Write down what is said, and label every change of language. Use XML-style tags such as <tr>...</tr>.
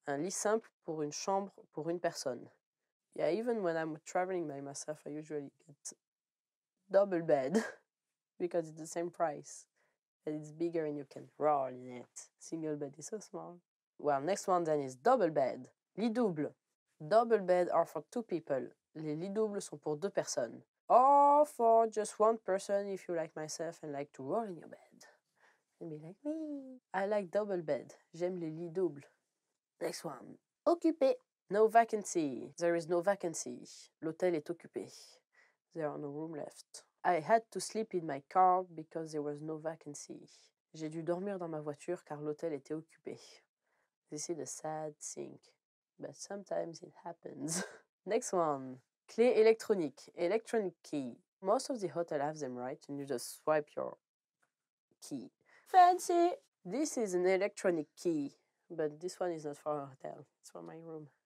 <fr>Un lit simple pour une chambre pour une personne.</fr> <en>Yeah, even when I'm traveling by myself, I usually get double bed because it's the same price. And it's bigger and you can roll in it. Single bed is so small. Well, next one then is double bed. Lit double. Double bed are for two people.</en> <fr>Les lits doubles sont pour deux personnes.</fr> <en>Or for just one person if you like myself and like to roll in your bed. And be like me. I like double bed.</en> <fr>J'aime les lits doubles.</fr> <en>Next one. Occupé. No vacancy. There is no vacancy.</en> <fr>L'hôtel est occupé.</fr> <en>There are no room left. I had to sleep in my car because there was no vacancy.</en> <fr>J'ai dû dormir dans ma voiture car l'hôtel était occupé.</fr> <en>This is a sad thing, but sometimes it happens. Next one. Clé électronique. Electronic key. Most of the hotel have them, right? And you just swipe your key. Fancy! This is an electronic key, but this one is not for a hotel. It's for my room.</en>